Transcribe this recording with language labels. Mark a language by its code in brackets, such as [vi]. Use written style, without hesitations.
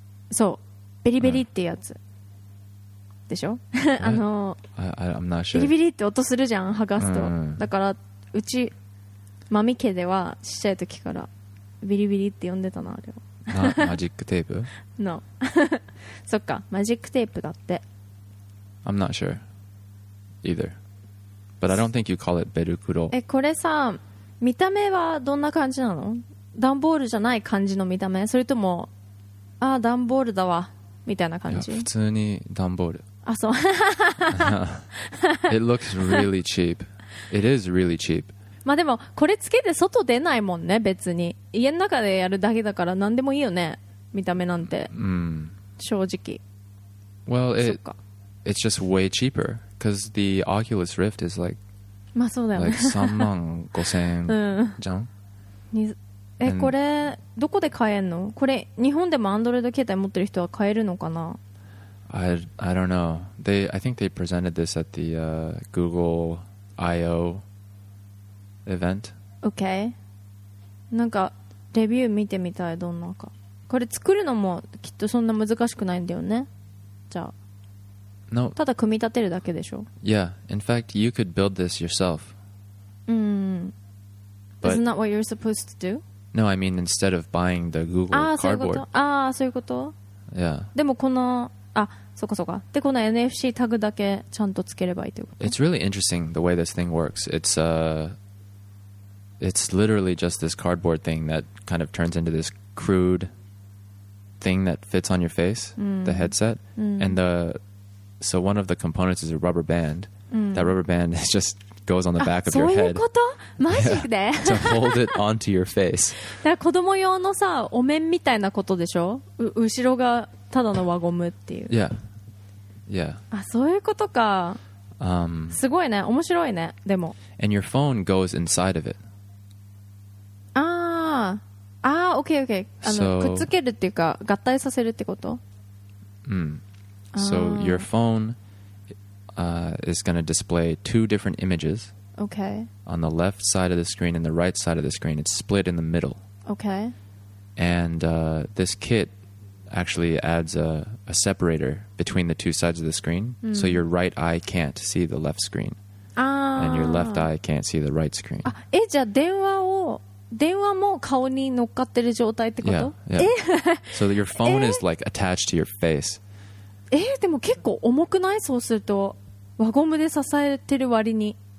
[ja] そう、ビリビリってやつでしょ。あの、 [en] I'm not sure. [ja] ビリビリって音するじゃん、剥がすと。だからうちマミ家ではちっちゃい時からビリビリって呼んでたな、あれを。マジックテープ？ [en] No. [ja] そっか、マジックテープだって。 [en] I'm not sure either, but I don't think you call it ベルクロ。 [ja] え、これさ、見た目はどんな感じなの？ダンボールじゃない感じの見た目、それともあ、ダンボールだわみたいな感じ。いや、普通にダンボール。あ、そう。 [en] It looks really cheap. It is really cheap. [ja] まあでもこれつけて外出ないもんね、別に。家の中でやるだけだから何でもいいよね、見た目なんて。うん。正直。 [en] Well, it's just way cheaper because the Oculus Rift is like, [ja] まあそうだよね。 [en] like [ja] 35,000円じゃん。え、これどこで買えんの？これ日本でも Android 携帯持ってる人は買えるのかな？ [en] I don't know. I think they presented this at the Google I.O. event. Okay. [ja] なんかレビュー見てみたい、どんなか。これ作るのもきっとそんな難しくないんだよね、じゃあ。 [en] No. [ja] ただ組み立てるだけでしょ。 [en] Yeah. In fact, you could build this yourself. But isn't that what you're supposed to do? No, I mean instead of buying the Google cardboard. [ja] そういうこと。ああ、そういうこと。 [en] Yeah. [ja] でもこの、あ、そうかそうか。で、この NFC タグだけちゃんとつければいいということ。 [en] It's really interesting the way this thing works. It's literally just this cardboard thing that kind of turns into this crude thing that fits on your face,、 [ja] うん、 [en] the headset.、 [ja] うん、 [en] And the, so one of the components is a rubber band.、 [ja] うん、 [en] that rubber band is just... goes on the back of your head. [ja] そういうこと？マジで？ [en] To hold it onto your face. [ja] だから子供用のさ、お面みたいなことでしょ？後ろがただの輪ゴムっていう。 [en] Yeah. Yeah. [ja] あ、そういうことか。すごいね。面白いね。でも。 [en] And your phone goes inside of it. [ja] ああ。ああ、OK, OK. くっつけるっていうか、合体させるってこと？うん。 [en] So your phone, is going to display two different images. Okay. On the left side of the screen and the right side of the screen. It's split in the middle. Okay. And, this kit actually adds a separator between the two sides of the screen. Mm. So your right eye can't see the left screen. Ah. And your left eye can't see the right screen. [ja] Ah, じゃあ電話を、電話も顔に乗っかってる状態ってこと？ [en] Yeah, yeah. So your phone is like attached to your face. [ja] でも結構重くない？そうすると輪ゴムで支えてる割に。